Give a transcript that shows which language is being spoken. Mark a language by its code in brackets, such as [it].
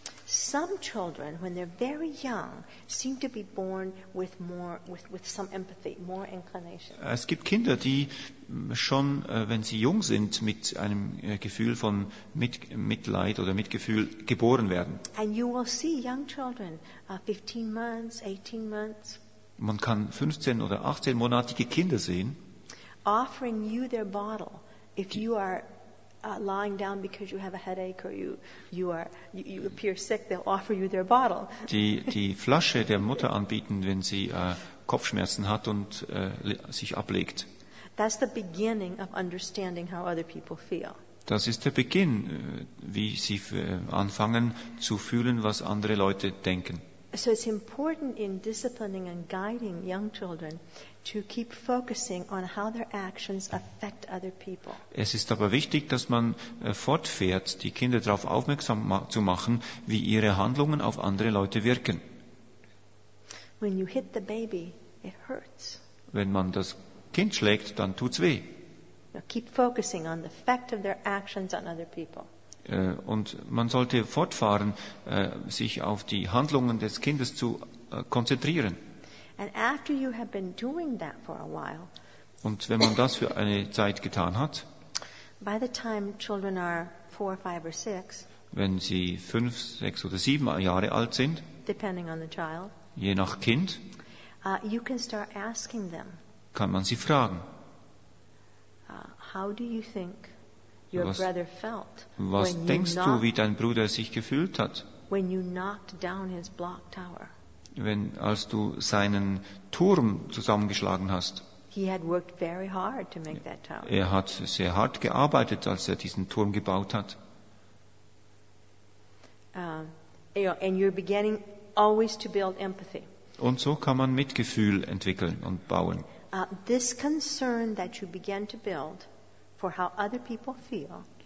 [en] Some children, when they're very young, seem to be born with more, with some empathy, more inclination. [de] Es gibt Kinder, die schon, wenn sie jung sind, mit einem Gefühl von Mitleid oder Mitgefühl geboren werden. [en] And you will see young children, 15 months, 18 months. [de] Man kann 15 oder 18-monatige Kinder sehen. [en] Offering you their bottle, if you are lying down because you have a headache or you appear sick, they'll offer you their bottle. [de] Die Flasche der Mutter anbieten, wenn sie Kopfschmerzen hat und sich ablegt. [en] That's the beginning of understanding how other people feel. [de] Das ist der Beginn, wie sie anfangen zu fühlen, was andere Leute denken. [en] So it's important in disciplining and guiding young children to keep focusing on how their actions affect other people. [de] Es ist aber wichtig, dass man fortfährt, die Kinder darauf aufmerksam zu machen, wie ihre Handlungen auf andere Leute wirken. [en] When you hit the baby, it hurts. [de] Wenn man das Kind schlägt, dann tut's weh. [en] Now keep focusing on the effect of their actions on other people. [de] Und man sollte fortfahren, sich auf die Handlungen des Kindes zu konzentrieren. [en] And after you have been doing that for a while, [de] und wenn man das für eine Zeit getan hat, [en] by the time children are 4, 5, or 6, [de] wenn sie 5, 6 oder 7 Jahre alt sind, [en] depending on the child, [de] je nach Kind, [en] you can start asking them, [de] kann man sie fragen, [en] how do you think your brother felt [de] was [en] when [de] denkst [en] you knocked, [de] du, wie dein Bruder sich gefühlt hat, [en] when you knocked down his block tower? [de] Wenn, als du seinen Turm zusammengeschlagen hast. [en] He had worked very hard to make that tower. [de] Er hat sehr hart gearbeitet, als er diesen Turm gebaut hat. [en] And you're beginning always to build empathy. [de] Und so kann man Mitgefühl entwickeln und bauen. [en] This concern that you begin to build for how other people feel.